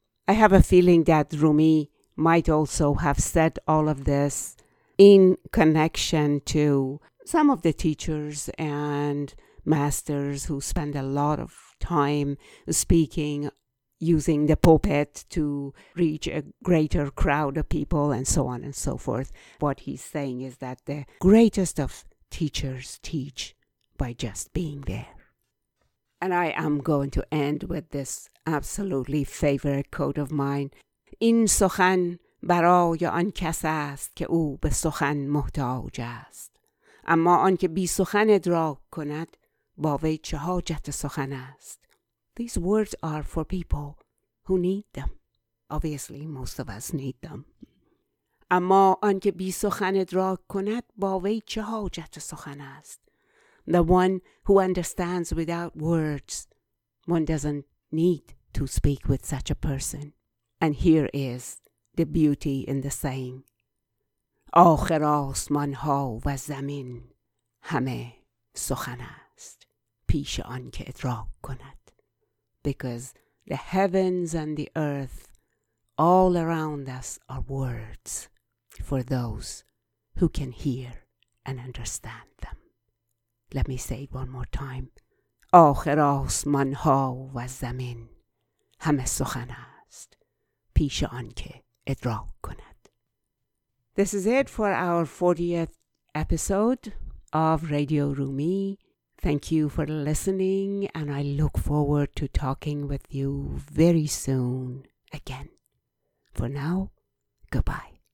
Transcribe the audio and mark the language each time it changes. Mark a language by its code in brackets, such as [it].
[en] I have a feeling that Rumi might also have said all of this in connection to some of the teachers and masters who spend a lot of time speaking using the pulpit to reach a greater crowd of people and so on and so forth. What he's saying is that the greatest of teachers teach by just being there. And I am going to end with this absolutely favorite quote of mine. [fa] این سخن برای آن کس است که او به سخن محتاج است. اما آن که بی سخن ادراک کند با وی چه حاجت سخن است. [en] These words are for people who need them. Obviously, most of us need them. [fa] اما آن که بی سخن ادراک کند با وی چه حاجت سخن است. [en] The one who understands without words, one doesn't need to speak with such a person. And here is the beauty in the saying. [fa] آخر آسمان ها و زمین همه سخن است پیش آن که ادراک کند. [en] Because the heavens and the earth all around us are words for those who can hear and understand them. Let me say it one more time. [fa] آخر آسمان ها و زمین همه سخن است پیش آن که ادراک کند. [en] This is it for our 40th episode of Radio Rumi. Thank you for listening, and I look forward to talking with you very soon again. For now, goodbye.